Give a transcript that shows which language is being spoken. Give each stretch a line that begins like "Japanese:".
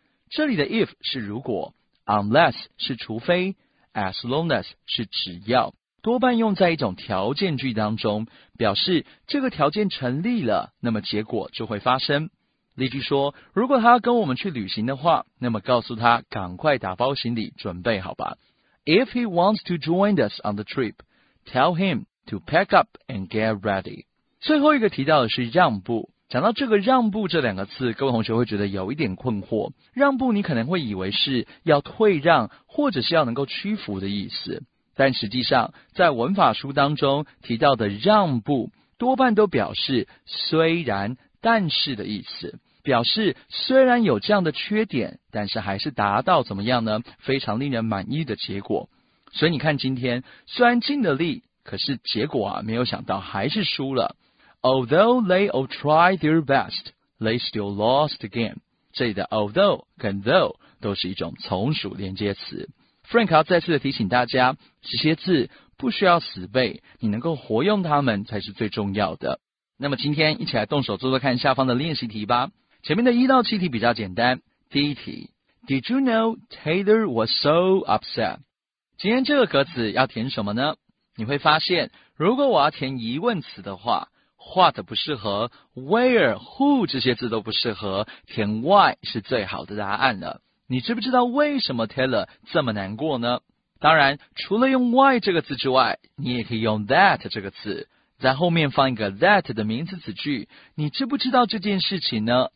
Chinese: 这里的 if 是如果， unless 是除非， as long as 是只要，多半用在一种条件句当中，表示这个条件成立了，那么结果就会发生。例句说，如果他要跟我们去旅行的话，那么告诉他赶快打包行李准备好吧。
English: If he wants to join us on the trip, tell him to pack up and get ready。
Chinese: 最后一个提到的是让步，讲到这个让步这两个字，各位同学会觉得有一点困惑。让步你可能会以为是要退让，或者是要能够屈服的意思。但实际上，在文法书当中提到的让步，多半都表示虽然但是的意思。表示虽然有这样的缺点，但是还是达到怎么样呢？非常令人满意的结果。所以你看今天，虽然尽了力，可是结果啊，没有想到还是输了。
English: Although they all tried their best, they still lost again.
Chinese: 这里的 although 跟 though 都是一种从属连接词。 Frank 要再次的提醒大家，这些字不需要死背，你能够活用它们才是最重要的。那么今天一起来动手做做看下方的练习题吧。前面的一到七题比较简单。第一题，
English: Did you know Taylor was so upset?
Chinese: 今天这个格子要填什么呢？你会发现，如果我要填疑问词的话，What 不适合， Where、 Who 这些字都不适合，填 Why 是最好的答案了。你知不知道为什么 Taylor 这么难过呢？当然除了用 Why 这个字之外，你也可以用 That 这个字，在后面放一个 That 的名词子句，你知不知道这件事情呢？